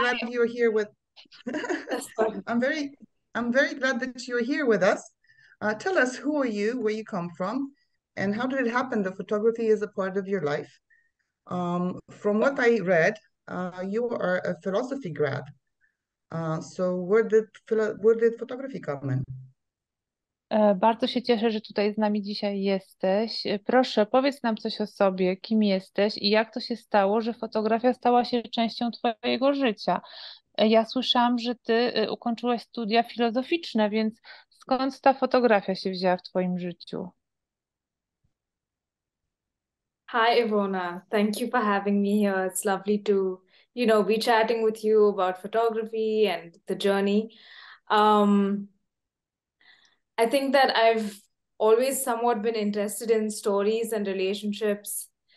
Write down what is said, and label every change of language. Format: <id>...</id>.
<en>glad that you are here with I'm very glad that you are here with us. Tell us who are you, where you come from, and how did it happen that photography is a part of your life? From what I read, you are a philosophy grad. So where did photography come in?</en> <pl>Bardzo się cieszę, że tutaj z nami dzisiaj jesteś. Proszę, powiedz nam coś o sobie, kim jesteś i jak to się stało, że fotografia stała się częścią twojego życia. Ja słyszałam, że ty ukończyłeś studia filozoficzne, więc skąd ta fotografia się wzięła w twoim życiu?</pl> <en>Hi, Ivona. Thank you for having me here. It's lovely to, be chatting with you about photography and the journey. I think that I've always somewhat been interested in stories and relationships.</en>